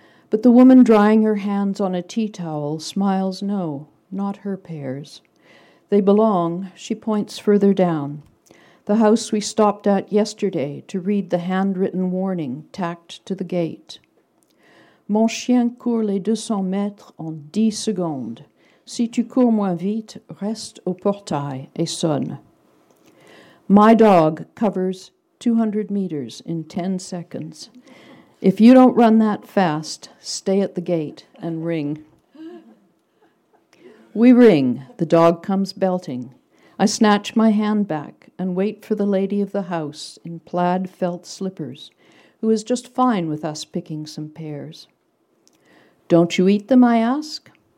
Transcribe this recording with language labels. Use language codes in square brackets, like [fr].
[en] But the woman drying her hands on a tea towel smiles, "No, not her pears. They belong," she points further down, "the house we stopped at yesterday to read the handwritten warning tacked to the gate. [fr] Mon chien court les 200 mètres en 10 secondes. Si tu cours moins vite, reste au portail et sonne." [en] My dog covers 200 meters in 10 seconds. If you don't run that fast, stay at the gate and ring. We ring. The dog comes belting. I snatch my hand back and wait for the lady of the house in plaid felt slippers, who is just fine with us picking some pears. "Don't you eat them?" I ask.